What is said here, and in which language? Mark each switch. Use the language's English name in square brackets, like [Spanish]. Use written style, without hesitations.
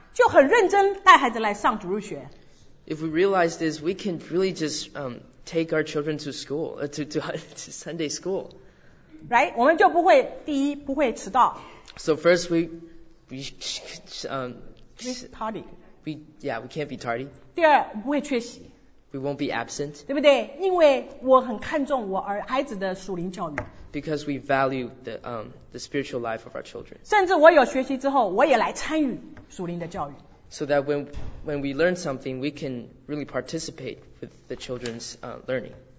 [Chinese] 就很认真带孩子来上主日学。 [English] If we realize this, we can really just take our children to school, to Sunday school. Right? [Chinese] 我们就不会第一不会迟到。 [English] So first we tardy. We can't be tardy. [Chinese] 第二不会缺席。 [English] We won't be absent. [Chinese] 对不对？因为我很看重我儿孩子的属灵教育。 [English] Because we value the spiritual life of our children. [Chinese] 甚至我有学习之后，我也来参与属灵的教育。 [English] So that when we learn something, we can really participate with the children's learning.